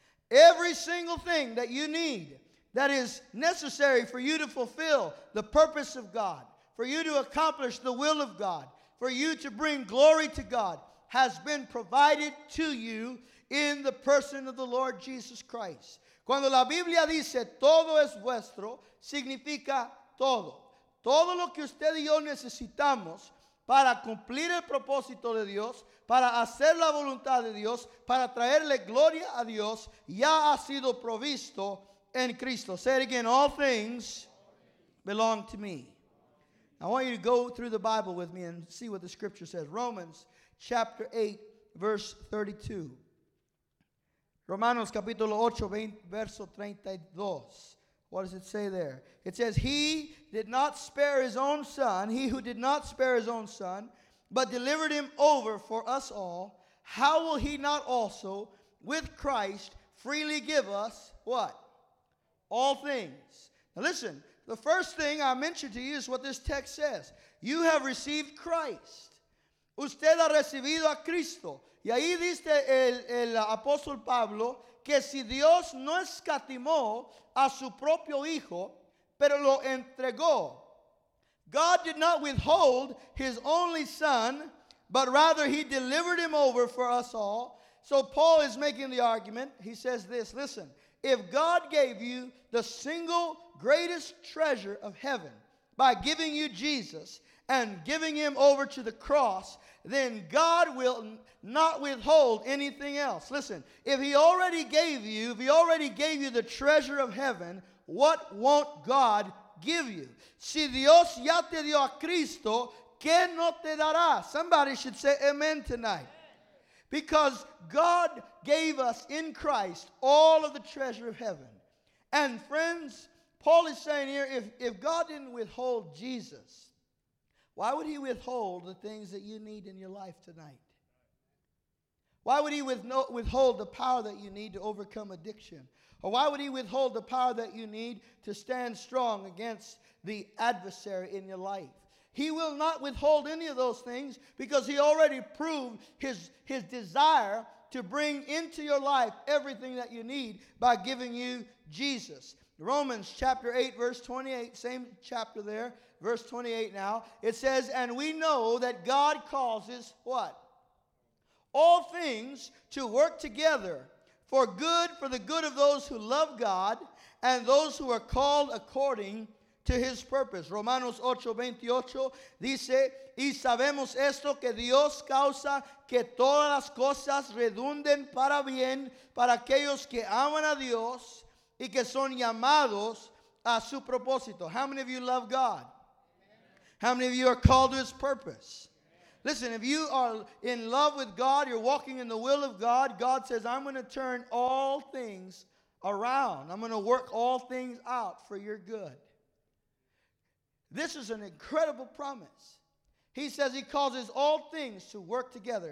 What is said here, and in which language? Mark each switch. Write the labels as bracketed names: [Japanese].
[English] Every single thing that you need, that is necessary for you to fulfill the purpose of God, for you to accomplish the will of God, for you to bring glory to God, has been provided to you in the person of the Lord Jesus Christ. [Spanish] Cuando la Biblia dice, todo es vuestro, significa todo. Todo lo que usted y yo necesitamos para cumplir el propósito de Dios, para hacer la voluntad de Dios, para traerle gloria a Dios, ya ha sido provisto en Cristo. [English] Say it again, all things belong to me. I want you to go through the Bible with me and see what the scripture says. Romans chapter 8, verse 32. [Spanish] Romanos capítulo 8, verso 32. [English] What does it say there? It says, he did not spare his own son, he who did not spare his own son, but delivered him over for us all, how will he not also with Christ freely give us, what? All things. Now listen, the first thing I mentioned to you is what this text says. You have received Christ. [Spanish] Usted ha recibido a Cristo. Y ahí dice el apóstol Pablo, que si Dios no escatimó a su propio hijo, pero lo entregó. [English] God did not withhold his only son, but rather he delivered him over for us all. So Paul is making the argument. He says this, listen, if God gave you the single greatest treasure of heaven by giving you Jesus and giving him over to the cross, then God will not withhold anything else. Listen, if he already gave you the treasure of heaven, what won't God give you? [Spanish] Si Dios ya te dio a Cristo, ¿qué no te dará? [English] Somebody should say amen tonight. Because God gave us in Christ all of the treasure of heaven. And friends, Paul is saying here, if God didn't withhold Jesus, why would he withhold the things that you need in your life tonight? Why would he withhold the power that you need to overcome addiction? Or why would he withhold the power that you need to stand strong against the adversary in your life? He will not withhold any of those things because he already proved his desire to bring into your life everything that you need by giving you Jesus. Romans chapter 8, verse 28, same chapter there, verse 28 now. It says, and we know that God causes what? All things to work together for good, for the good of those who love God and those who are called according to his purpose. [Spanish] Romanos 8, 28 dice, y sabemos esto, que Dios causa que todas las cosas redunden para bien para aquellos que aman a Dios y que son llamados a su propósito. [English] How many of you love God? How many of you are called to his purpose? Listen, if you are in love with God, you're walking in the will of God, God says, I'm going to turn all things around. I'm going to work all things out for your good. This is an incredible promise. He says he causes all things to work together.